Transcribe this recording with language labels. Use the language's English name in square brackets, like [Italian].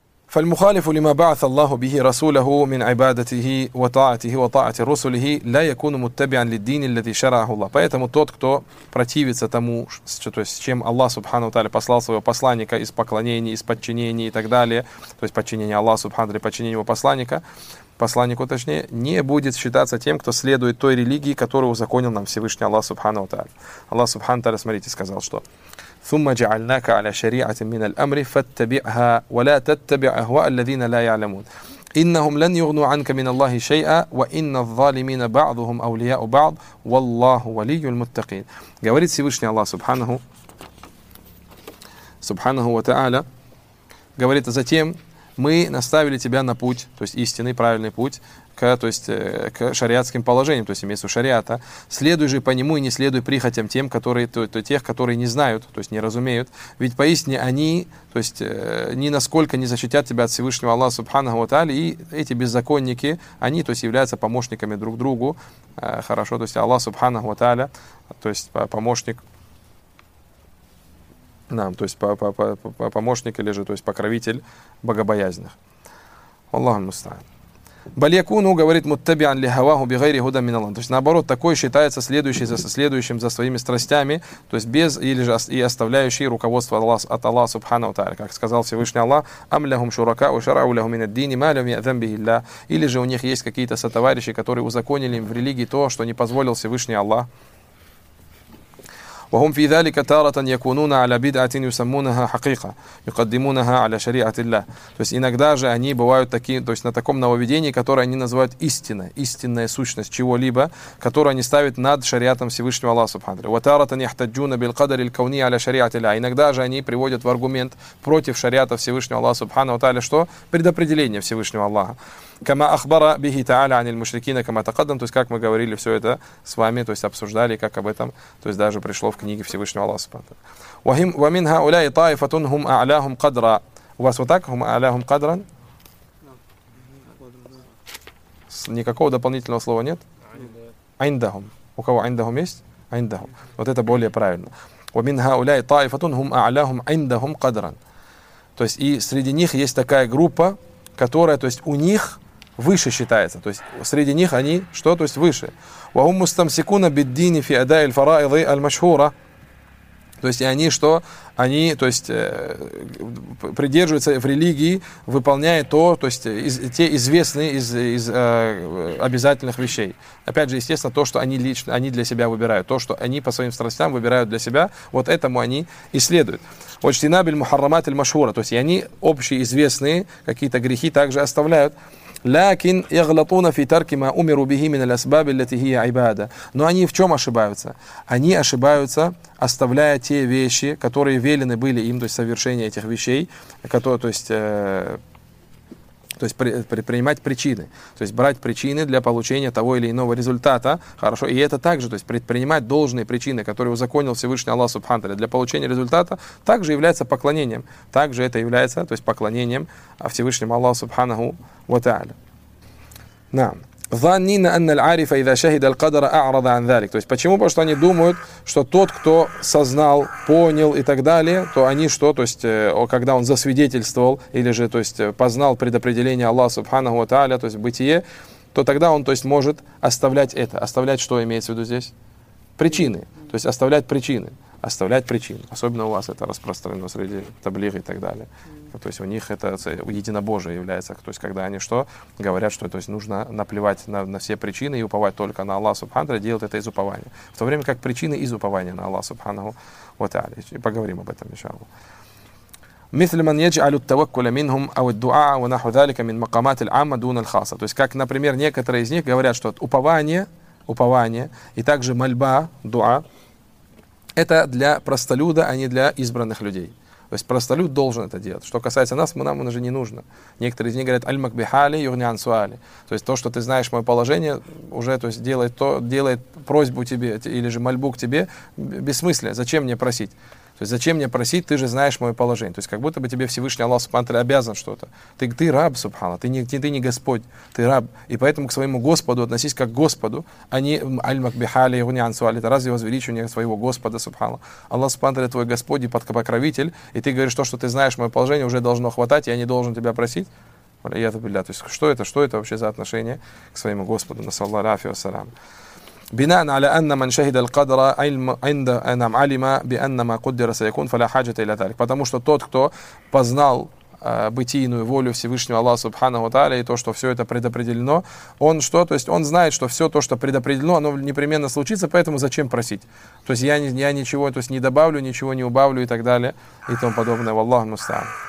[Arabic] فالمخالف لما بعث الله به رسوله من عبادته وطاعته وطاعة رسله لا يكون متبعا للدين الذي شرعه الله. [Russian] Поэтому тот, кто противится тому, то есть чем Аллах Субхану Ва Тааля послал своего посланника из поклонения, из подчинения и так далее, то есть подчинение Аллаху Субхану Ва Тааля, подчинение его посланника, посланнику точнее, не будет считаться тем, кто следует той религии, которую узаконил нам Всевышний Аллах Субхану Ва Тааля. Аллах Субхану Ва Тааля, смотрите, сказал, что [Arabic] ثُمَّ جَعَلْنَاكَ عَلَى شَرِيعَةٍ مِّنَ الْأَمْرِ فَاتَّبِعْهَا وَلَا تَتَّبِعْ أَهْوَاءَ الَّذِينَ لَا يَعْلَمُونَ إِنَّهُمْ لَنْ يُغْنُوا عَنْكَ مِنَ اللَّهِ شَيْئًا وَإِنَّ الظَّالِمِينَ بَعْضُهُمْ أَوْلِيَاءُ بَعْضٍ وَاللَّهُ وَلِيُّ الْمُتَّقِينَ. [Russian] Говорит Всевышний Аллах Субханаху ва Тааля, говорит, затем мы наставили тебя на путь, то есть истинный, правильный путь, то есть к шариатским положениям, то есть имеется в виду шариата, следуй же по нему и не следуй прихотям тем, которые, тех, которые не знают, то есть не разумеют, ведь поистине они, то есть ни насколько не защитят тебя от Всевышнего Аллаха Субханаху ва Тааля, и эти беззаконники, они, то есть являются помощниками друг другу, хорошо, то есть Аллах Субханаху ва Тааля, то есть помощник нам, то есть помощник или же, то есть покровитель богобоязненных. [Arabic] Аллаху мустаан. Балякуну, [Russian] говорит, [Arabic] муттабиан лихаваху бигайри худа миналан. [Russian] То есть наоборот, такой считается следующим за своими страстями, то есть без или же и оставляющий руководство от Аллаха Субханаху ва Тааля. Как сказал Всевышний Аллах, [Arabic] амляхум шурака ушарау ляху мин ад-дини ма лям язамби илля. [Russian] Или же у них есть какие-то сотоварищи, которые узаконили им в религии то, что не позволил Всевышний Аллах. [Arabic] وهم في ذلك تارة يكونون على بدعة يسمونها حقيقة يقدمونها على شريعة الله. [Russian] То есть иногда же они бывают такие, то есть на таком нововведении, которое они называют истиной, истинная сущность чего-либо, которую они ставят над шариатом Всевышнего Аллаха Субханаху. [Arabic] وتارة يحتجون بالقدر الكوني على شريعة الله. [Russian] Иногда же они приводят в аргумент против шариата Всевышнего Аллаха Субханаху Тааля, что предопределение Всевышнего Аллаха. [Arabic] كما أخبر به تعالى عن المشركين كما تقدم. [Russian] То есть как мы говорили все это с вами, то есть обсуждали, как об этом, то есть даже пришло в книге Всевышнего Аллаха Субханаху. [Arabic] ومن هؤلاء طائفة هم أعلاهم قدرا. [Russian] У вас вот так, [Arabic] هم أعلاهم قدرا? [Russian] Никакого дополнительного слова нет? [Arabic] عندهم. [Russian] У кого عندهم есть? [Arabic] عندهم. [Russian] Вот это более правильно. [Arabic] ومن هؤلاء طائفة هم أعلاهم عندهم قدرا. [Russian] То есть и среди них есть такая группа, которая, то есть у них выше считается, то есть среди них они что, то есть выше. [Arabic] وهم مستمسكون بالدين في أداء الفرائض المشهورة. [Russian] То есть и они что, они, то есть придерживаются в религии, выполняя то, то есть те известные из обязательных вещей. Опять же, естественно, то, что они лично, они для себя выбирают, то, что они по своим страстям выбирают для себя, вот этому они и следуют. [Arabic] واجتناب المحرمات المشهورة. [Russian] То есть и они общеизвестные какие-то грехи также оставляют. [Arabic] لكن يغلطون في ترك ما أمروا به من الأسباب التي هي عبادة. [Russian] Но они в чем ошибаются? Они ошибаются, оставляя те вещи, которые велены были им, то есть совершение этих вещей, которые, то есть предпринимать причины, то есть брать причины для получения того или иного результата, хорошо, и это также, то есть предпринимать должные причины, которые узаконил Всевышний Аллах Субхану ва Тааля для получения результата, также является поклонением, также это является, то есть поклонением Всевышнему Аллаху Субханаху ва Тааля. Нам. [Arabic] ظنين أن العارف إذا شهد القدر أعرض عن ذلك. [Russian] То есть почему? Потому что они думают, что тот, кто сознал, понял и так далее, то они что? То есть когда он засвидетельствовал или же, то есть познал предопределение Аллаха Субханаху ва Тааля, то есть бытие, то тогда он, то есть может оставлять это, оставлять что имеется в виду здесь? Причины. То есть оставлять причины, оставлять причины. Особенно у вас это распространено среди таблиги и так далее. То есть у них это единобожие является. То есть когда они что? Говорят, что то есть нужно наплевать на все причины и уповать только на Аллах Субханаху, делать это из упования. В то время как причины из упования на Аллах Субханаху. Вот и поговорим об этом, иншаллах. [Arabic] مثل من يجعل التوكل منهم أو الدعاء ونحو ذلك من مقامات العامة دون الخاصة. [Russian] То есть как, например, некоторые из них говорят, что упование и также мольба, дуа, это для простолюда, а не для избранных людей. То есть простолюд должен это делать. Что касается нас, нам оно же не нужно. Некоторые из них говорят [Arabic] «Аль-Макбихали Юрниансуали». [Russian] То есть то, что ты знаешь мое положение, уже то есть, делает просьбу тебе или же мольбу к тебе бессмысленно. Зачем мне просить? То есть зачем мне просить, ты же знаешь мое положение. То есть как будто бы тебе Всевышний Аллах Субхану обязан что-то. Ты раб, Субхану, ты не Господь, ты раб. И поэтому к своему Господу относись как к Господу, а не [Arabic] Аль-Макбихали, Игуни-Ансуали, [Russian] это разве возвеличивание своего Господа, Субхану. Аллах Субхану твой Господь и покровитель, и ты говоришь, то, что ты знаешь мое положение, уже должно хватать, я не должен тебя просить. То есть, что это вообще за отношение к своему Господу, [Arabic] насаллаху алейхи ва саллям. بناءً على أن من شهد القدر عند أنم علم بأن ما قدر سيكون فلا حاجة إلى ذلك. [Russian] Потому что тот, кто познал бытийную волю Всевышнего Аллаха Субханаху Тааля и то, что все это предопределено, он что? То есть он знает, что все то, что предопределено, оно непременно случится, поэтому зачем просить? То есть я ничего, то есть не добавлю, ничего не убавлю и так далее и тому подобное. [Arabic] Валлаху мустаан.